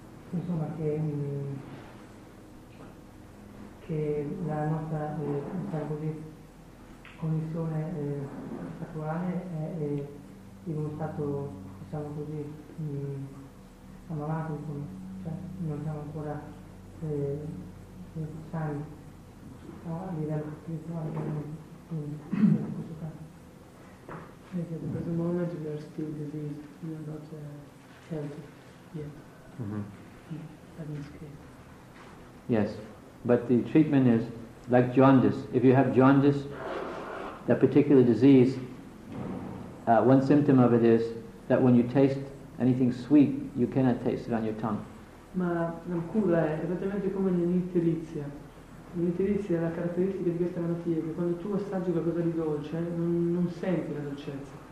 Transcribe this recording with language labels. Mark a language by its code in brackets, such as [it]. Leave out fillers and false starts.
[it] Insomma, che la nostra diciamo così condizione attuale è in uno stato diciamo così ammalato, insomma, non siamo ancora sani a livello spirituale, in questo caso. [en] At the present moment we are still diseased, we are not healthy yet. Mm-hmm. That means great. Yes, but the treatment is like jaundice. If you have jaundice, that particular disease, one symptom of it is that when you taste anything sweet, you cannot taste it on your tongue. [it] Ma la cura è esattamente come nell'itterizia. L'itterizia è la caratteristica di questa malattia, che quando tu assaggi qualcosa di dolce, non senti la dolcezza.